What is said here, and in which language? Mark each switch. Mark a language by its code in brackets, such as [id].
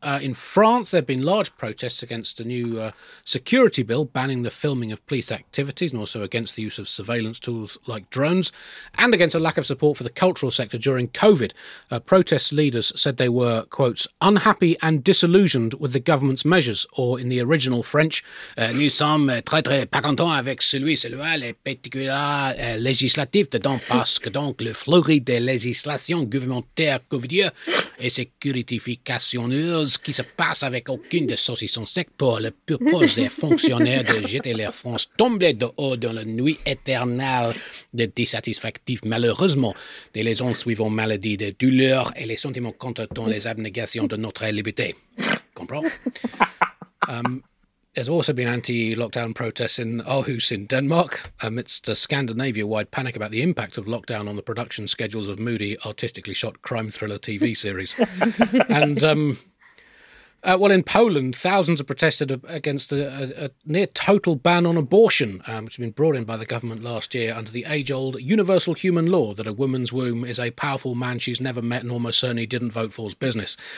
[en] In France, there have been large protests against a new security bill banning the filming of police activities and also against the use of surveillance tools like drones and against a lack of support for the cultural sector during COVID. Protest leaders said they were, quotes, unhappy and disillusioned with the government's measures, or in the original French, news. [fr] Nous sommes très très pas contents avec celui-là, les particuliers législatifs dedans, parce que donc le fleuri des législations gouvernementaires COVID et sécuritificationneuses qui se passe avec aucune des saucissons secs pour le purpose des fonctionnaires de jeter la France tombée de haut dans la nuit éternelle des dissatisfactifs, malheureusement, des lésions suivant maladie, des douleurs et les sentiments contentant les abnégations de notre liberté. Comprends? [en] There's also been anti-lockdown protests in Aarhus in Denmark amidst a Scandinavia-wide panic about the impact of lockdown on the production schedules of moody, artistically shot crime thriller TV series. And, well, in Poland, thousands have protested against a near total ban on abortion, which has been brought in by the government last year under the age-old universal human law that a woman's womb is a powerful man she's never met and almost certainly didn't vote for's business.